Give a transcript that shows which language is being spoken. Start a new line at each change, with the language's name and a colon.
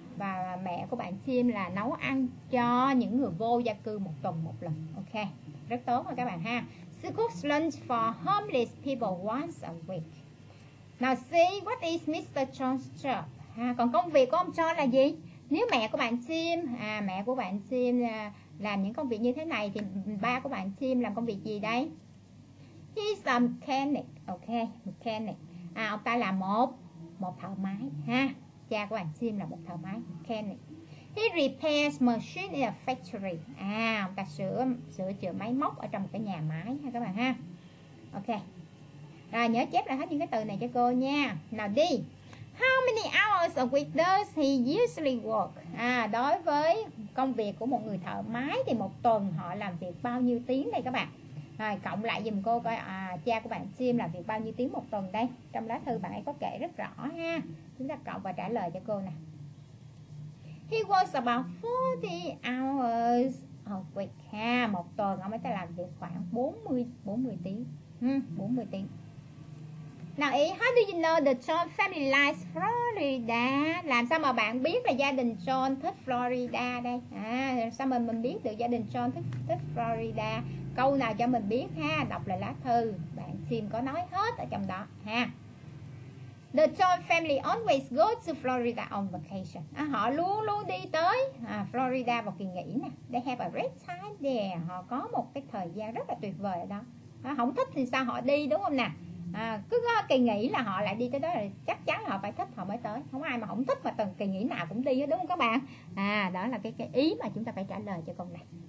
Vietnamese: Và mẹ của bạn Tim là nấu ăn cho những người vô gia cư một tuần một lần. Ok, rất tốt rồi các bạn ha.
English: She cooks lunch for homeless people once a week. Now, see, what is Mr. John's job?
Vietnamese: À, còn công việc của ông John là gì? Nếu mẹ của bạn Tim, à, mẹ của bạn Tim làm những công việc như thế này thì ba của bạn Tim làm công việc gì đây?
English: He's a mechanic. Ok, mechanic.
Vietnamese: À, ông ta là một thợ máy ha. Cha của bạn Tim là một thợ máy, mechanic.
English: He repairs machine in a factory.
Vietnamese: À, ông ta sửa chữa máy móc ở trong cái nhà máy ha các bạn ha. Ok. Rồi nhớ chép lại hết những cái từ này cho cô nha. Nào đi.
English: How many hours a week does he usually work?
Vietnamese: À, đối với công việc của một người thợ máy thì một tuần họ làm việc bao nhiêu tiếng đây các bạn? Rồi cộng lại giùm cô coi, à, cha của bạn Tim làm việc bao nhiêu tiếng một tuần đây? Trong lá thư bạn ấy có kể rất rõ ha. Chúng ta cộng và trả lời cho cô nè.
English: He works about 40 hours a week.
Vietnamese: Ha, một tuần ông ấy ta làm việc khoảng 40 tiếng.
English: Now, how do you know the John family likes Florida?
Vietnamese: Làm sao mà bạn biết là gia đình John thích Florida đây? À, sao mà mình biết được gia đình John thích Florida? Câu nào cho mình biết ha? Đọc lại lá thư, bạn Tim có nói hết ở trong đó ha.
English: The John family always go to Florida on vacation.
Vietnamese: À, họ luôn luôn đi tới Florida vào kỳ nghỉ nè.
English: They have a great time there.
Vietnamese: Họ có một cái thời gian rất là tuyệt vời ở đó. À, không thích thì sao họ đi, đúng không nè? À, cứ có kỳ nghỉ là họ lại đi tới đó, là chắc chắn họ phải thích họ mới tới. Không ai mà không thích mà từng kỳ nghỉ nào cũng đi, đúng không các bạn? À, đó là cái ý mà chúng ta phải trả lời cho con này.